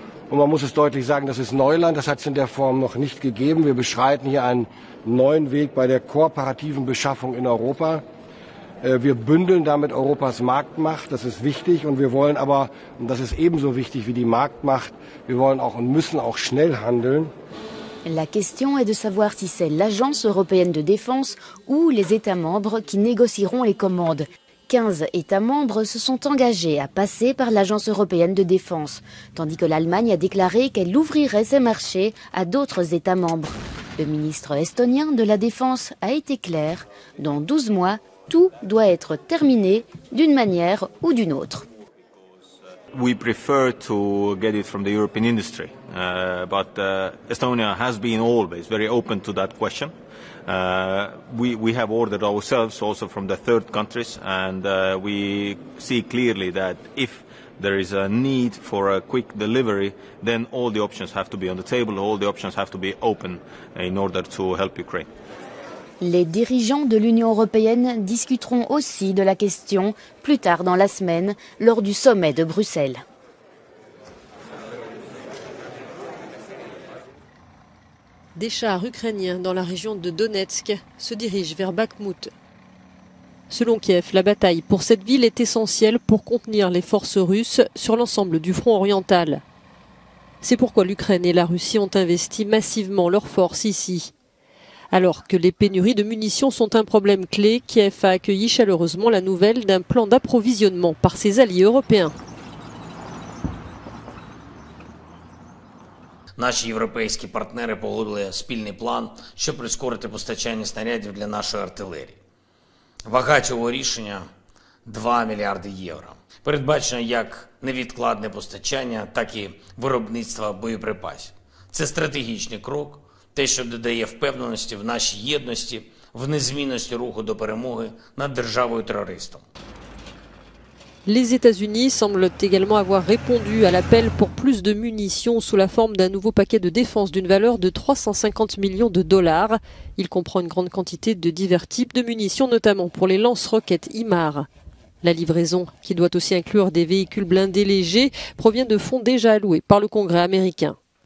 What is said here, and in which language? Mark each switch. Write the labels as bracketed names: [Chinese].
[German] Und man muss es deutlich sagen, das ist Neuland, das hat es in der Form noch nicht gegeben. Wir beschreiten hier einen neuen Weg bei der kooperativen Beschaffung in Europa. Wir bündeln damit Europas Marktmacht, das ist wichtig und wir wollen aber, und das ist ebenso wichtig wie die Marktmacht, wir wollen auch und müssen auch schnell handeln. [French] La question est de savoir si c'est l'Agence européenne de défense ou les États membres qui négocieront les commandes. 15 États membres se sont engagés à passer par l'Agence européenne de défense, tandis que l'Allemagne a déclaré qu'elle ouvrirait ses marchés à d'autres États membres. Le ministre estonien de la Défense a été clair, dans 12 mois, tout doit être terminé d'une manière ou d'une autre. [English] We prefer to get it from the European industry, but Estonia has been always very open to that question. We have ordered ourselves also from the third countries, and we see clearly that if there is a need for a quick delivery, then all the options have to be on the table, all the options have to be open in order to help Ukraine. [French] Les dirigeants de l'Union européenne discuteront aussi de la question plus tard dans la semaine, lors du sommet de Bruxelles. Des chars ukrainiens dans la région de Donetsk se dirigent vers Bakhmout. Selon Kiev, la bataille pour cette ville est essentielle pour contenir les forces russes sur l'ensemble du front oriental. C'est pourquoi l'Ukraine et la Russie ont investi massivement leurs forces ici. Alors que les pénuries de munitions sont un problème clé, Kiev a accueilli chaleureusement la nouvelle d'un plan d'approvisionnement par ses alliés européens. [Ukrainian] Наші європейські партнери погодили спільний план, щоб прискорити постачання снарядів для нашої артилерії. Вага цього рішення 2 мільярди євро. Передбачено як невідкладне постачання, так і виробництво боєприпасів. Це стратегічний крок. Те, що додає впевненості в нашій єдності, в незмінності руху до перемоги над державою-терористом. [French] Les États-Unis semblent également avoir répondu à l'appel pour plus de munitions sous la forme d'un nouveau paquet de défense d'une valeur de 350 millions de dollars. Il comprend une grande quantité de divers types de munitions, notamment pour les lance-roquettes HIMAR. La livraison, qui doit aussi inclure des véhicules blindés légers, provient de fonds déjà alloués par le Congrès américain.